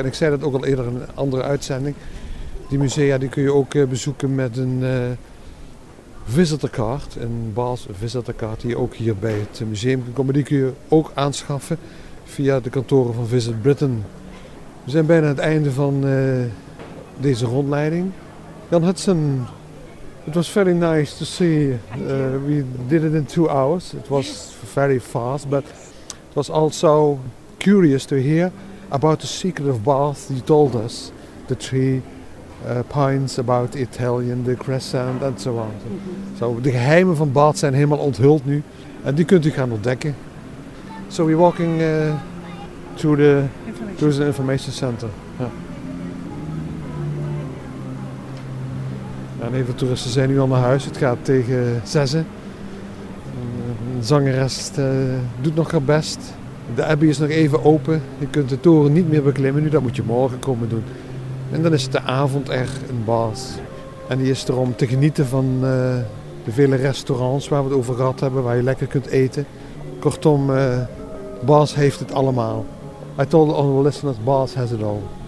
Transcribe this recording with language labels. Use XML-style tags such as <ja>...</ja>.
<nl>En ik zei dat ook al eerder in een andere uitzending. Die musea die kun je ook bezoeken met een visitorkaart, een Bas visitorkaart die je ook hier bij het museum kunt komen. Die kun je ook aanschaffen via de kantoren van Visit Britain. We zijn bijna aan het einde van deze rondleiding.</nl> <en>Jan Hudson, it was very nice to see. We did it in 2 hours. It was very fast, but it was also curious to hear about the secret of Bath. You told us the three pines about the Italian, the crescent, and so on. So the</en> <nl>geheimen van Bath zijn helemaal onthuld nu, en die kunt u gaan ontdekken.</nl> <en>So we're walking to the information center.</en> <nl>En even toeristen zijn nu al naar huis. Het gaat tegen 6:00. De zangeres doet nog haar best. De Abbey is nog even open. Je kunt de toren niet meer beklimmen nu. Dat moet je morgen komen doen. En dan is het de avond er in Bath. En die is er om te genieten van de vele restaurants waar we het over gehad hebben. Waar je lekker kunt eten. Kortom, Bath heeft het allemaal.</nl> <en>I told all the listeners, Bars has it all.</en>